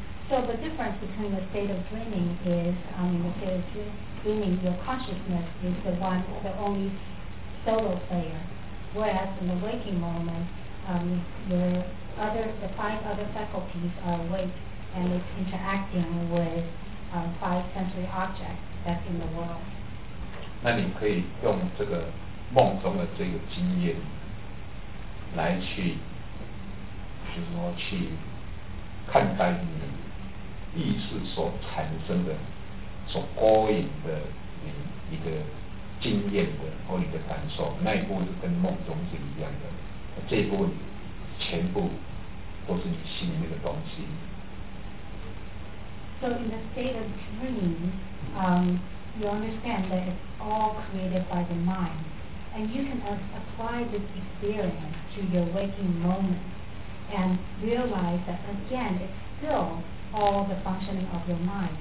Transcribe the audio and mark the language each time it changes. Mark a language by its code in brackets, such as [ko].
[en] So the difference between the state of dreaming is, in the state of dreaming, your consciousness is the one, the only solo player. Whereas in the waking moment, the five other faculties are awake and it's interacting with five sensory objects that's in the world. [zh] 那你可以用这个梦中的这个经验来去，就是说去看待你意识所产生的、所勾引的你的经验的或你的感受，那一部分是跟梦中是一样的，这一部分全部都是你心里面的东西。 [en] So in the state of dreaming, you understand that it's all created by the mind, and you can apply this experience to your waking moment. And realize that again, it's still all the functioning of your mind.